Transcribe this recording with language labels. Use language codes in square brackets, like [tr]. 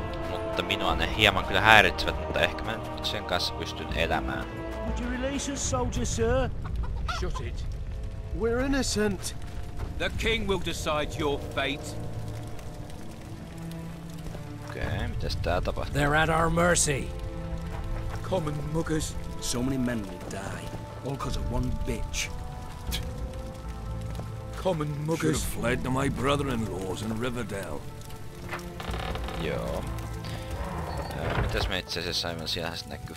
[fi] Mutta minua ne hieman kyllä häiritsevät, mutta ehkä mä nyt sen kanssa pystyn elämään. [en] Would you release a soldier, sir? Shut it. We're innocent. The king will decide your fate. [fi] Okei, mitäs tää tapahtuu? [en] They're at our mercy. Common muggers. So many men will die. All cause of one bitch. Common muggers. Should've fled to my brother-in-law's in Riverdale. [fi] Joo. Mitäs me itse asiassa aivan siellä sitten näkyy?